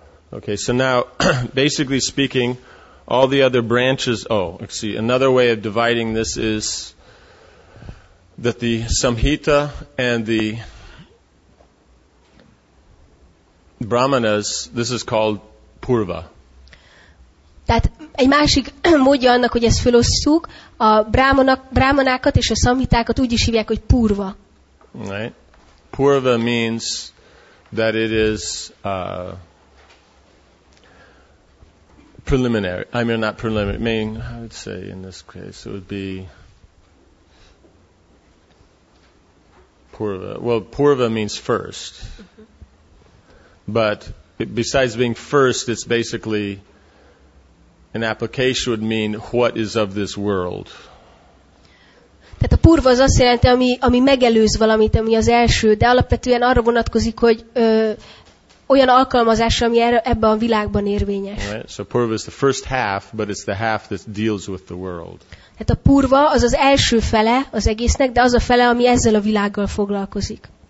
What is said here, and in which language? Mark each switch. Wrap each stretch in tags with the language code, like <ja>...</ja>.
<en>Okay, so now, basically speaking, all the other branches. Oh, let's see. Another way of dividing this is that the Samhita and the Brahmanas, this is called Purva.</en> <hu>Tehát egy másik módja annak, hogy ezt felosztjuk, a Brahmanákat és a Samhitákat úgy is hívják, hogy Purva.</hu> <en>Right. Purva means that it is preliminary. I mean, not preliminary. I mean, I would say in this case it would be Purva. Well, Purva means first. Mm-hmm. But besides being first, it's basically an application would mean what is of this world.</en> <hu>Tehát a purva az azt jelenti, ami megelőz valamit, ami az első, de alapvetően arra vonatkozik, hogy olyan alkalmazás, ami ebben a világban érvényes.</hu> <en>Right. So purva is the first half, but it's the half that deals with the world.</en> <hu>Tehát a purva az az első fele az egésznek, de az a fele, ami ezzel a világgal foglalkozik.</hu>